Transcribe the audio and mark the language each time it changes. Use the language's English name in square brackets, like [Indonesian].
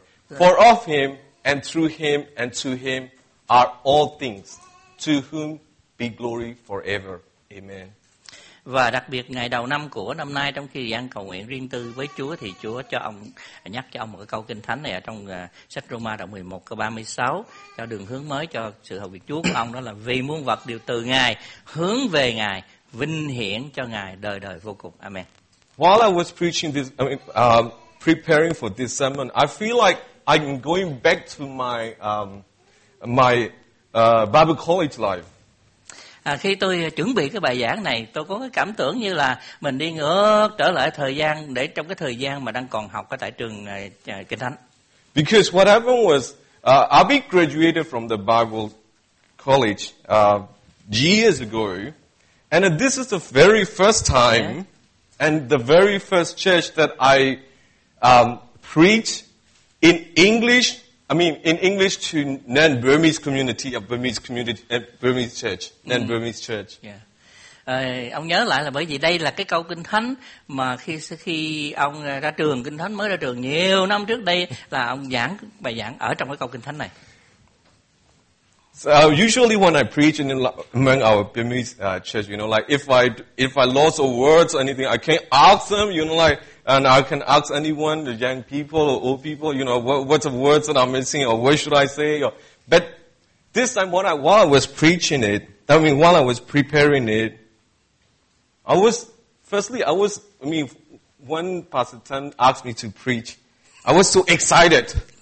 [English] For of Him and through Him and to Him are all things, to whom be glory forever. Amen. [Vietnamese] Và đặc biệt ngày đầu năm của năm nay, trong khi ăn cầu nguyện riêng tư với Chúa, thì Chúa cho ông nhắc cho ông một câu kinh thánh này ở trong sách Roma đoạn 11 câu 36, cho đường hướng mới cho sự hầu việc Chúa của ông, đó là vì muôn vật đều từ Ngài, hướng về Ngài, vinh hiển cho Ngài đời đời vô cùng. [English] Amen. While I was preaching this, preparing for this sermon, I feel like I'm going back to my Bible college life. [Vietnamese] Khi tôi chuẩn bị cái bài giảng này, tôi có cái cảm tưởng như là mình đi ngược trở lại thời gian, để trong cái thời gian mà đang còn học ở tại trường Kinh Thánh. [English] Because what happened was, I graduated from the Bible college years ago, and this is the very first time, and the very first church that I preach in English, in English to non-Burmese community, Burmese church, non-Burmese church. [Vietnamese] Ông nhớ lại là bởi vì đây là cái câu kinh thánh mà khi ông ra trường kinh thánh, mới ra trường nhiều năm trước đây, là ông giảng bài giảng ở trong cái câu kinh thánh này. [English] So usually when I preach in among our Burmese church, you know, like if I lost a words or anything, I can ask them, you know, like. And I can ask anyone, the young people or old people, you know, what's the words that I'm missing, or what should I say? But this time, while I was preparing it, when Pastor Tan asked me to preach, I was so excited.